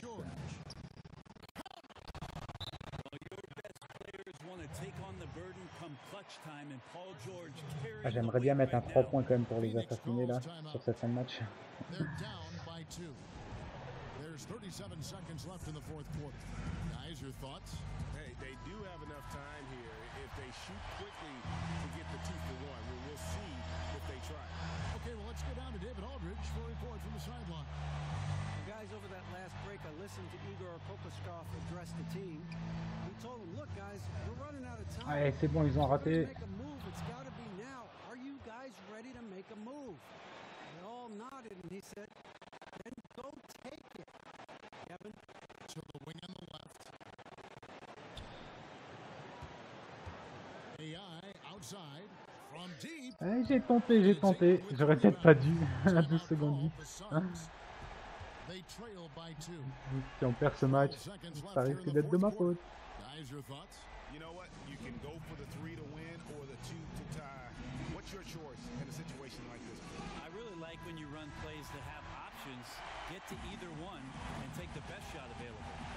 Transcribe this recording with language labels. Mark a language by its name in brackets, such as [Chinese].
[English] Well, your best players want to take on the burden come clutch time, and Paul George carries. [French] Ah, j'aimerais bien mettre un 3 points quand même pour les assassiner là sur cette fin de match. [English] They're down by 2. There's 37 seconds left in the fourth quarter. Guys, your thoughts? Hey, they do have enough time here if they shoot quickly to get the 2-1. We'll see if they try. Okay, well, let's go down to David Aldridge for a report from the sideline. Guys, over that last break, I listened to Igor Kokoskov address the team. He told them, look, guys, we're running out of time. [French] Hey, c'est bon, ils ont raté. [English] Make a move. It's got to be now. Are you guys ready to make a move? They all nodded, and he said, then go take it. Kevin? To the wing on the left. AI outside. From deep. [French] Hey, j'ai tenté. J'aurais peut-être pas dû. À 12 secondes. Hein? [English] They trail by two. [French] Si on perd ce match, ça risque d'être de ma faute. [English] Guys, your thoughts? You know what? You can go for the 3 to win or the 2 to tie. What's your choice in a situation like this? I really like when you run plays that have options. Get to either one and take the best shot available.